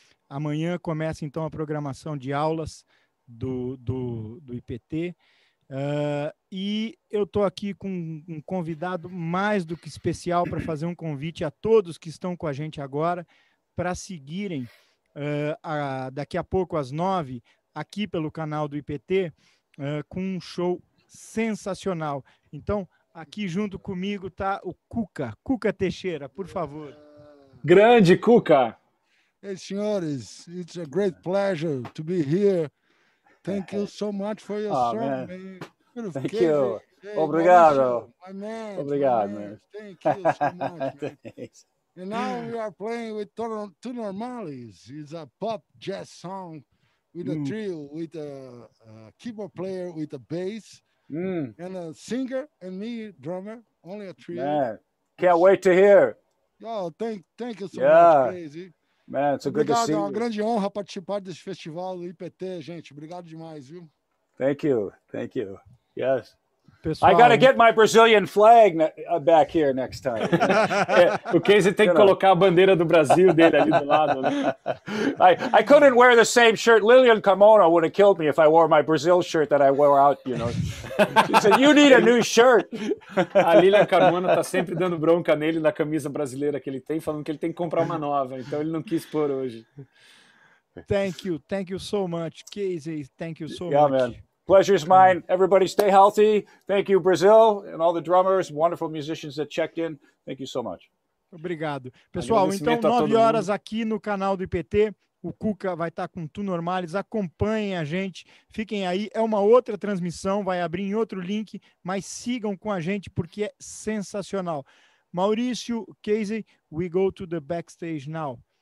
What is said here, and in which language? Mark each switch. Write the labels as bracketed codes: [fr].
[pt] Amanhã começa então a programação de aulas do IPT, e eu estou aqui com um convidado mais do que especial para fazer um convite a todos que estão com a gente agora para seguirem daqui a pouco às 9 aqui pelo canal do IPT com um show sensacional. Então, aqui junto comigo está o Cuca Teixeira, por favor. Grande Cuca! [en] Hey, [pt] senhores, [en] it's a great pleasure to be here. Thank you so much for your service, man. Thank you. Hey, [pt] obrigado. [en] My man. [pt] Obrigado, man. [en] Thank you so much, man. And now we are playing with Two Normales. It's a pop jazz song with a trio, with a keyboard player, with a bass, and a singer, and me, drummer, only a trio. Man, can't wait to hear. Oh, thank you so much, crazy. Man, it's a [pt] obrigado, [en] good to see [pt] é uma grande honra participar desse festival do IPT, gente. Obrigado demais, viu? [en] Thank you. Yes. [pt] Pessoal, [en] I gotta get my Brazilian flag back here next time. [pt] O Casey tem que colocar a bandeira do Brasil dele ali do lado. [en] I couldn't wear the same shirt. Lillian Carmona would have killed me if I wore my Brazil shirt that I wore out, you know. She said, you need a new shirt. [pt] A Lillian Carmona tá sempre dando bronca nele na camisa brasileira que ele tem, falando que ele tem que comprar uma nova. Então ele não quis pôr hoje. [en] Thank you so much, Casey. Thank you so much. Man. Pleasure is mine. Everybody stay healthy. Thank you, Brazil, and all the drummers, wonderful musicians that checked in. Thank you so much. [pt] Obrigado. Pessoal, então, 9 horas aqui no canal do IPT. O Cuca vai estar com Two Normales. Acompanhem a gente. Fiquem aí. É uma outra transmissão. Vai abrir em outro link, mas sigam com a gente porque é sensacional. [en] Mauricio, Casey, we go to the backstage now.